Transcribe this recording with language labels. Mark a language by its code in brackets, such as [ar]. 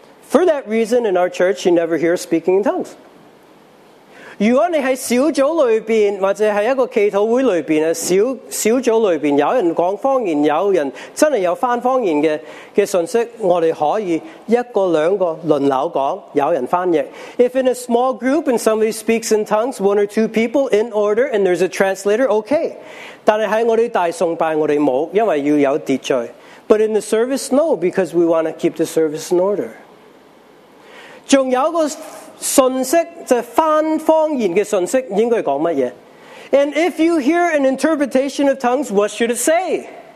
[en] For that reason, in our church, you never hear speaking in tongues. [zh] 如果你在小组里面，或者在一个祈祷会里面，小组里面有人讲方言，有人真的有翻方言的信息，我们可以一个两个轮流讲，有人翻译。 [en] If in a small group and somebody speaks in tongues, one or two people in order, and there's a translator, okay. [zh] 但是在我们大崇拜，我们没有，因为要有秩序。 [en] But in the service, no, because we want to keep the service in order. [zh] 还有一个 信息就是翻方言的信息应该讲什么? [en] And if you hear an interpretation of tongues, what should it say?